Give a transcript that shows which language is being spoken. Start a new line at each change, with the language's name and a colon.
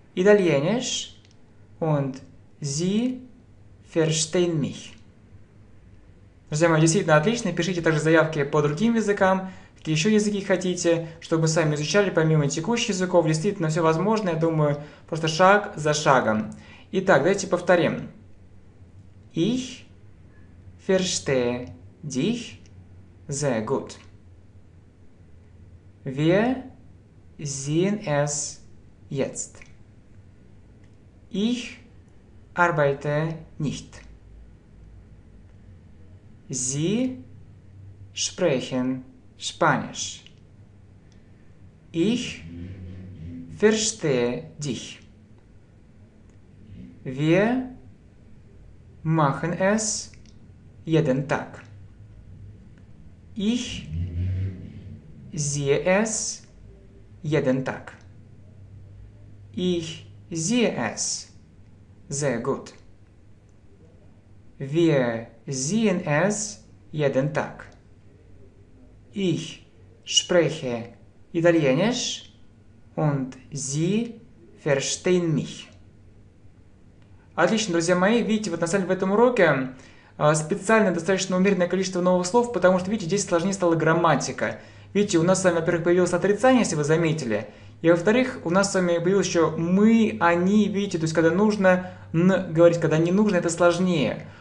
German: Итальянеш. Und sie verstehen mich.
Russian: Друзья мои, действительно отлично. Пишите также заявки по другим языкам, какие еще языки хотите, чтобы мы с вами изучали, помимо текущих языков. Действительно, все возможно, я думаю, просто шаг за шагом. Итак, давайте повторим.
German: Ich verstehe dich sehr gut. Wir sehen es jetzt. Ich arbeite nicht. Sie sprechen Spanisch. Ich verstehe dich. Wir machen es jeden Tag. Ich sehe es jeden Tag. Ich sehe es. Sehr gut. Wir sehen es jeden Tag. Ich spreche Italienisch und Sie verstehen mich.
Russian: Отлично, друзья мои, видите, вот на самом деле в этом уроке специально достаточно умеренное количество новых слов, потому что, видите, здесь сложнее стала грамматика. Видите, у нас с вами, во-первых, появилось отрицание, если вы заметили. И во-вторых, у нас с вами появилось еще мы, они, видите, то есть когда нужно н говорить, когда не нужно, это сложнее.